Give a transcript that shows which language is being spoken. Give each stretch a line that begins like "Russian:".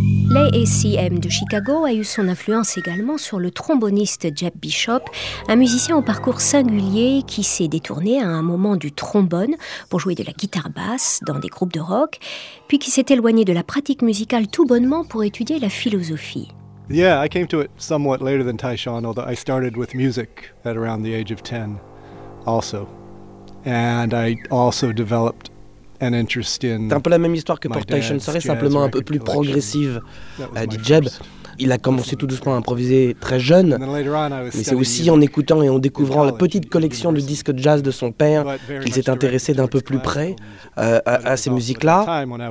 French: L'AACM de Chicago a eu son influence également sur le tromboniste Jeb Bishop, un musicien au parcours singulier qui s'est détourné à un moment du trombone pour jouer de la guitare basse dans des groupes de rock, puis qui s'est éloigné de la pratique musicale tout bonnement pour étudier la philosophie.
English: Yeah, I came to it somewhat later than Tyshawn, although I started with music at around the age of 10 also. And I also developed
French: C'est un peu la même histoire que pour Tyson Surrey, simplement un peu plus progressive, dit Jeb. Il a commencé tout doucement à improviser très jeune, mais c'est aussi en écoutant et en découvrant la petite collection de disques jazz de son père qu'il s'est intéressé d'un peu plus près à ces musiques-là.